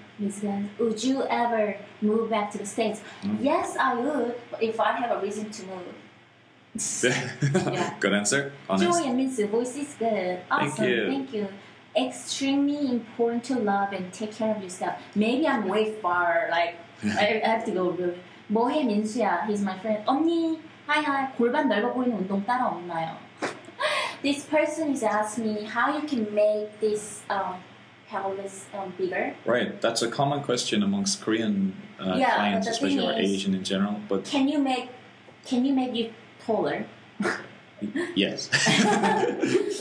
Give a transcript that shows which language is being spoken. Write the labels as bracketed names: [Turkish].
[English] Miss Gans, would you ever move back to the States? Yes, I would, if I have a reason to move. Good answer. Honest. Joy and Miss Gans, voice is good. Awesome. Thank you. Extremely important to love and take care of yourself. Maybe I'm way far, like, I have to go really. [Korean] 뭐 해, 민수야? [English] He's my friend. [Korean] 언니, [English] hi, hi. [Korean] 골반 넓어 보이는 운동 따로 없나요? [English] This person is asking me how you can make this pelvis bigger. Right, that's a common question amongst Korean clients, especially or Asian in general. But can you make you taller? Yes.